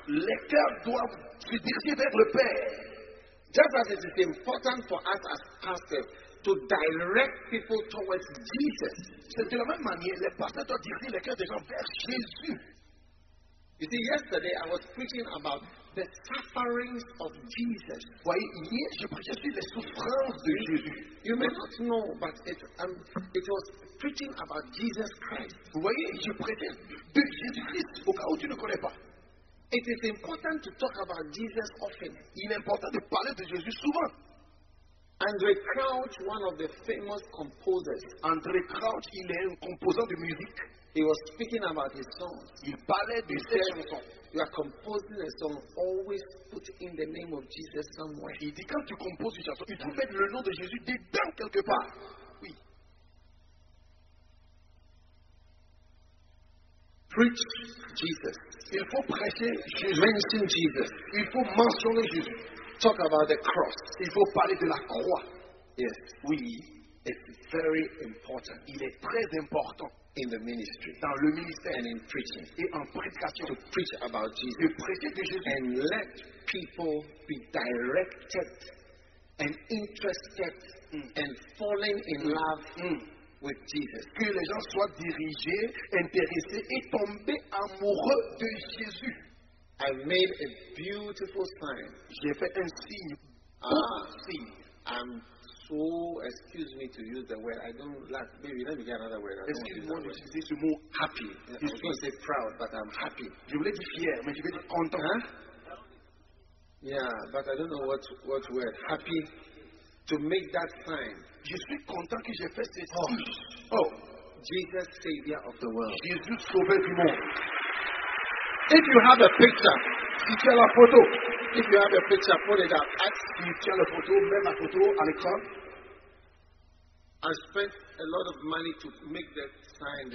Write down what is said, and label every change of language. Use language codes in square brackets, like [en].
[fr] Le cœur doit se diriger vers le père. [en] Just as it is important for us as pastors to direct people towards Jesus. [fr] C'est de la même manière, les pasteurs doivent diriger le cœur des gens vers Jésus. [en] You see, yesterday I was preaching about the sufferings of Jesus. [fr] Voyez, je prêchais sur les souffrances de Jésus. [en] You may not know, but it was preaching about Jesus Christ. [fr] Voyez, je prêchais de Jésus Christ au cas où tu ne connais pas. [en] It is important to talk about Jesus often. [fr] Il est important de parler de Jésus souvent. [en] André Crouch, one of the famous composers. [fr] André Crouch, il est un composant de musique. [en] He was speaking about his songs. [fr] Il parlait de ses chansons. [en] You are composing a song, always put in the name of Jesus somewhere. [fr] Il dit quand tu composes une chanson, il faut mettre le nom de Jésus dedans quelque part. Oui. [en] Preach Jesus. [fr] Il faut prêcher Jésus. [en] Mention Jesus. [fr] Il faut mentionner Jésus. [en] Talk about the cross. [fr] Il faut parler de la croix. [en] Yes. [fr] Oui. [en] It's very important. [fr] Il est très important. [en] In the ministry, [fr] dans le ministère, [en] and in preaching, [fr] et en prédication, [en] to preach about Jesus, [fr] de prêcher de Jésus, [en] and let people be directed and interested and falling in love with Jesus. [fr] Que les gens soient dirigés, intéressés et tombés amoureux de Jésus. [en] I made a beautiful sign. [fr] J'ai fait un signe. [en] Excuse me to use the word. I don't like. Maybe let me get another word. Excuse me to use the word. Happy. Yeah, I was going to say proud, but I'm happy. [fr] Je voulais dire fier, mais je vais dire content. [en] Huh? Yeah, but I don't know what word. Happy to make that sign. [fr] Je suis content que j'ai fait ce signe. [en] Oh, Jesus, Savior of the world. [fr] Jésus, Sauveur du monde. [en] If you have a picture, [fr] si tu as la photo, [en] if you have a picture, put it up. [fr] Si tu as la photo, mets la photo à l'écran. [en] I spent a lot of money to make that sign.